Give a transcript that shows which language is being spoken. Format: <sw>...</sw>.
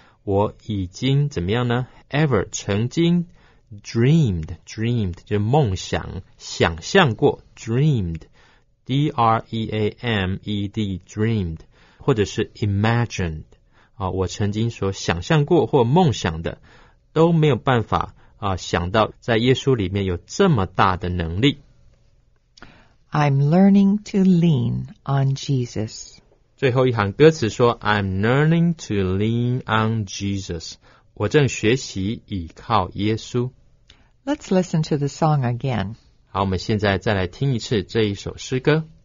<zh>我已经怎么样呢 ?ever, 曾经 dreamed, 就是梦想想象过 dreamed, D-R-E-A-M-E-D, dreamed, 或者是 imagined,、我曾经所想象过或梦想的都没有办法、想到在耶稣里面有这么大的能力。</zh> <en>I'm learning to lean on Jesus.</en> <zh>最后一行歌词说</zh> <en>I'm learning to lean on Jesus.</en> <zh>我正学习倚靠耶稣。</zh> <en>Let's listen to the song again.</en> <zh>好，我们现在再来听一次这一首诗歌。</zh>